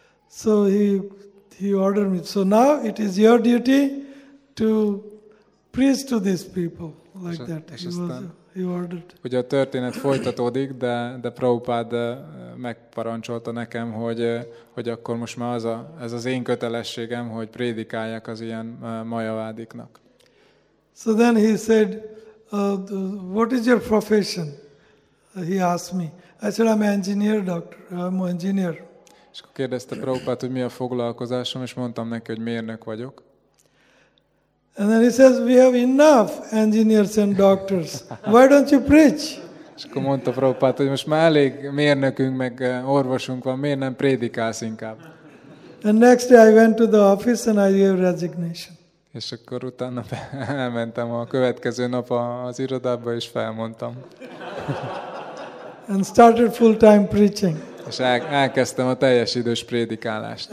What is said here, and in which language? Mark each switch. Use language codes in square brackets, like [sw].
[en] So he ordered me. So now it is your duty to preach to these people like that. He ordered. [hu] Ugye a történet folytatódik, de Prabhupada megparancsolta nekem, hogy akkor most már ez az én kötelességem, hogy prédikáljak az ilyen mayavádiknak. [en] So then he said, what is your profession? He asked me. I said, I'm an engineer, doctor. I'm an engineer. [hu] És akkor kérdezte Prabhupada, hogy mi a foglalkozásom, és mondtam neki, hogy mérnök vagyok. [en] And then he says, we have enough engineers and doctors. Why don't you preach? [hu] És akkor mondta Prabhupada, hogy most már elég mérnökünk, meg orvosunk van, miért nem prédikálsz inkább? [en] And next day I went to the office and I gave resignation. [hu] És akkor utána elmentem a következő nap az irodába, és felmondtam. [en] And started full-time preaching. [hu] És elkezdtem a teljes idős prédikálást.